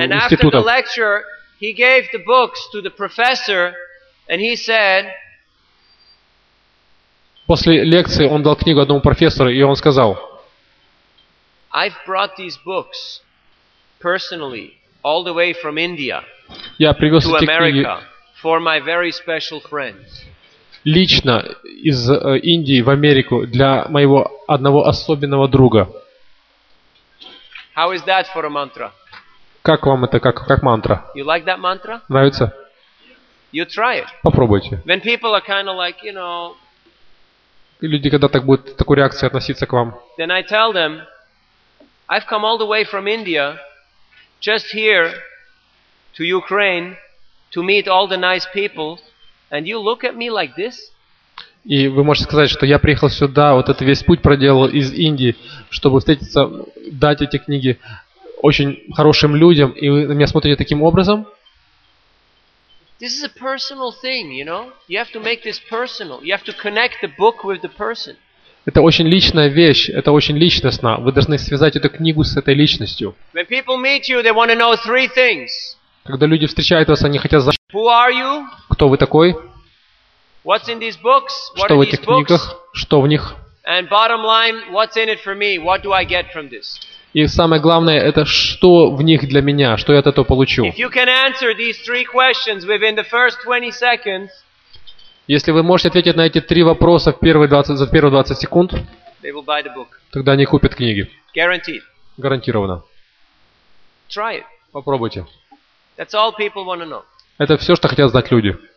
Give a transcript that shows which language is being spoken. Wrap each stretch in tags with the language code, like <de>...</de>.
<en>And after the lecture, he gave the books to the professor, and he said.</en> <ru>После лекции он дал книгу одному профессору, и он сказал.</ru> <en>I've brought these books personally all the way from India.</en> <ru>Я привез эти книги.</ru> <en>For my very special friend.</en> <ru>Лично из Индии в Америку для моего одного особенного друга.</ru> <en>How is that for a mantra?</en> <ru>Как вам это как мантра?</ru> <en>You like that mantra?</en> <ru>Нравится?</ru> <en>You try it.</en> <ru>Попробуйте.</ru> <en>When people are kind of like, you know.</en> <ru>Люди когда так будут такую реакцию относиться к вам?</ru> <en>Then I tell them, I've come all the way from India, just here to Ukraine. To meet all the nice people, and you look at me like this?</en> <ru>И вы можете сказать, что я приехал сюда, вот этот весь путь проделал из Индии, чтобы встретиться, дать эти книги очень хорошим людям, и вы на меня смотрите таким образом?</ru> <en>This is a personal thing, you know. You have to make this personal. You have to connect the book with the person.</en> <ru>Это очень личная вещь, это очень личностно. Вы должны связать эту книгу с этой личностью.</ru> <en>When people meet you, they want to know 3 things.</en> <ru>Когда люди встречают вас, они хотят знать, кто вы такой,</ru> <en>what's in these books? What</en> <ru>что в этих книгах, что в них.</ru> <en>And bottom line, what's in it for me? What do I get from this?</en> <ru>И самое главное, это что в них для меня, что я от этого получу.</ru> <en>If you can answer these 3 questions within the first 20 seconds,</en> <ru>если вы можете ответить на эти 3 вопроса за первые 20 секунд,</ru> <en>they will buy the book.</en> <ru>Тогда они купят книги.</ru> <en>Guaranteed.</en> <ru>Гарантированно.</ru> <en>Try it.</en> <ru>Попробуйте.</ru> <en>That's all people want to know.</en> <ru>Это все, что хотят знать люди.</ru>